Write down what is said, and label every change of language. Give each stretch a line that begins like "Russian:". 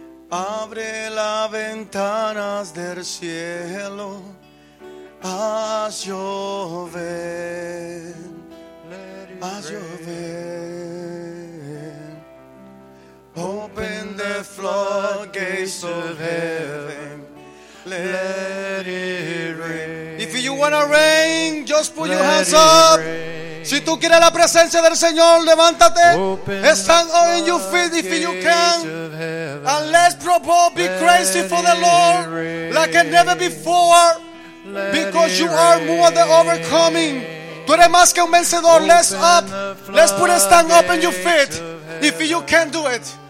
Spanish: Abre las ventanas del cielo, haz llover, haz llover.
English: Open the floodgates of heaven, let it rain. If you wanna rain, just put your hands up.
Spanish: Si tú quieres la presencia del Señor, levántate.
English: Stand on your feet if you can. And let's probably be crazy for the Lord like never before. Because you are more than overcoming.
Spanish: Tú eres más que un vencedor.
English: Let's up. Let's put a stand up in your feet if you can do it.